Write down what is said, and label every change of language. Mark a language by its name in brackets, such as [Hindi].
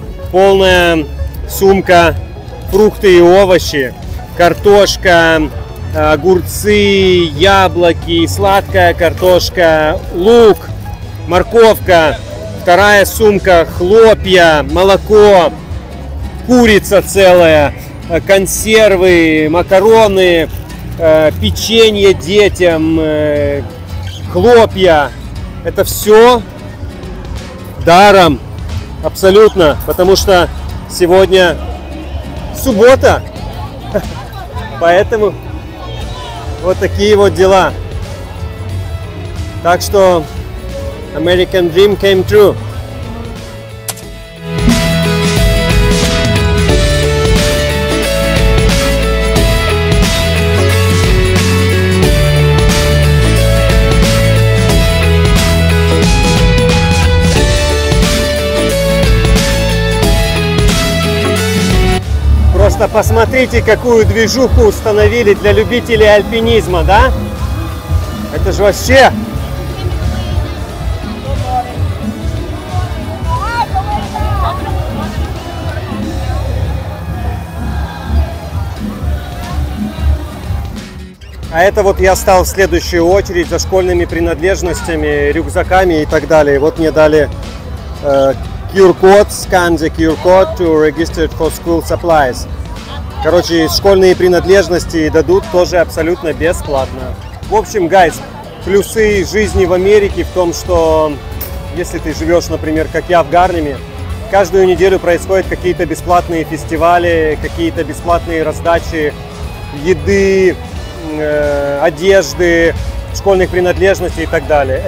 [Russian] Полная сумка фрукты и овощи, картошка, огурцы, яблоки, сладкая картошка, лук, морковка, вторая сумка хлопья, молоко, курица целая, консервы, макароны, печенье детям, хлопья. Это все даром абсолютно, потому что сегодня суббота. Поэтому вот такие вот дела. Так что [English] American Dream came true. [Russian] Просто посмотрите, какую движуху установили для любителей альпинизма, да? Это же вообще! А это вот я стал в следующую очередь за школьными принадлежностями, рюкзаками и так далее. Вот мне дали QR-код, [English] scan the QR-code to register for school supplies. [Russian] Короче, школьные принадлежности дадут тоже абсолютно бесплатно. В общем, guys, плюсы жизни в Америке в том, что если ты живешь, например, как я в Гарлеме, каждую неделю происходят какие-то бесплатные фестивали, какие-то бесплатные раздачи еды, одежды, школьных принадлежностей и так далее.